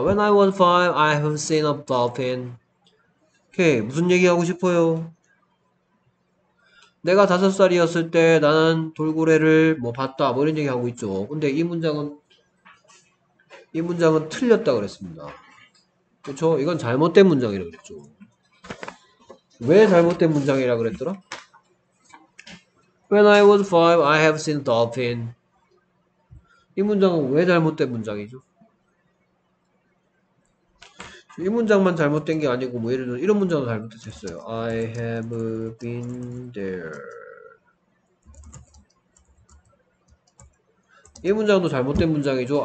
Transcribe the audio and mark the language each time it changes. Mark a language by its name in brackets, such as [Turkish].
[English] When I was five, I have seen a dolphin. [Korean] 오케이. 무슨 얘기하고 싶어요? 내가 5살이었을 때 나는 돌고래를 뭐 봤다. 뭐 이런 얘기하고 있죠. 근데 이 문장은 틀렸다 그랬습니다. 그렇죠? 이건 잘못된 문장이라고 그랬죠. 왜 잘못된 문장이라고 그랬더라? [English] When I was five, I have seen a dolphin. [Korean] 이 문장은 왜 잘못된 문장이죠? 이 문장만 잘못된 게 아니고 뭐 예를 들어 이런 문장도 잘못됐어요. [English] I have been there. [Korean] 이 문장도 잘못된 문장이죠.